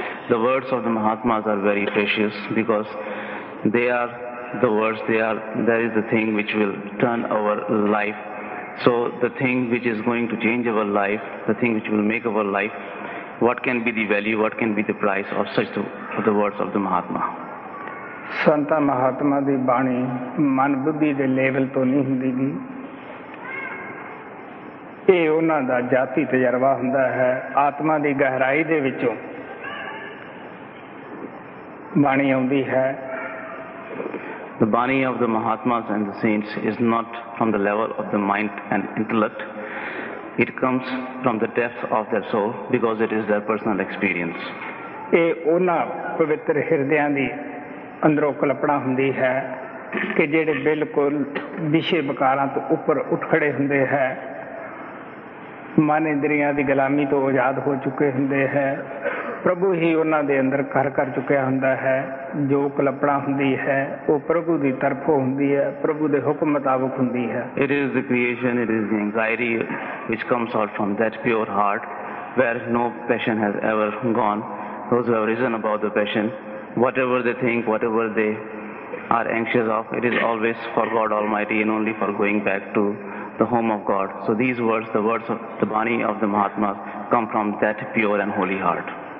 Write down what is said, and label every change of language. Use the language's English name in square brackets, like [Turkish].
[English] The words of the Mahatmas are very precious because they are the words, that is the thing which will turn our life. So the thing which is going to change our life, the thing which will make our life, what can be the value, what can be the price of such the words of the Mahatma? [Punjabi] ਸੰਤਾਂ ਮਹਾਤਮਾ ਦੀ ਬਾਣੀ ਮਨ ਬੁੱਧੀ ਦੇ level ਤੋਂ ਨਹੀਂ ਹੁੰਦੀ ਗੀ ਇਹ ਉਹਨਾਂ ਦਾ ਜਾਤੀ ਤਜਰਬਾ ਹੁੰਦਾ ਹੈ ਆਤਮਾ ਦੀ ਗਹਿਰਾਈ ਦੇ ਵਿੱਚੋਂ ਬਾਣੀ ਆਉਂਦੀ ਹੈ [English] The Bani of the Mahatmas and the saints is not from the level of the mind and intellect. It comes from the depth of their soul because it is their personal experience. [Punjabi] ਇਹ ਉਹਨਾਂ ਪਵਿੱਤਰ ਹਿਰਦਿਆਂ ਦੀ ਅੰਦਰੋਂ ਕਲਪਣਾ ਹੁੰਦੀ ਹੈ ਕਿ ਜਿਹੜੇ ਬਿਲਕੁਲ ਵਿਸ਼ੇ ਵਿਕਾਰਾਂ ਤੋਂ ਉੱਪਰ ਉੱਠ ਖੜੇ ਹੁੰਦੇ ਹੈ, ਮਨ ਇੰਦਰੀਆਂ ਦੀ ਗੁਲਾਮੀ ਤੋਂ ਆਜ਼ਾਦ ਹੋ ਚੁੱਕੇ ਹੁੰਦੇ ਹੈ, ਪ੍ਰਭੂ ਹੀ ਉਹਨਾਂ ਦੇ ਅੰਦਰ ਘਰ ਕਰ ਚੁੱਕਿਆ ਹੁੰਦਾ ਹੈ। ਜੋ ਕਲਪਣਾ ਹੁੰਦੀ ਹੈ ਉਹ ਪ੍ਰਭੂ ਦੀ ਤਰਫੋਂ ਹੁੰਦੀ ਹੈ, ਪ੍ਰਭੂ ਦੇ ਹੁਕਮ ਮੁਤਾਬਕ ਹੁੰਦੀ ਹੈ। [English] It is the creation, it is the anxiety which comes out from that pure heart where no passion has ever gone. Those who have risen above the passion, whatever they think, whatever they are anxious of, it is always for God Almighty and only for going back to the home of God. So these words, the words of the Bani of the Mahatmas, come from that pure and holy heart.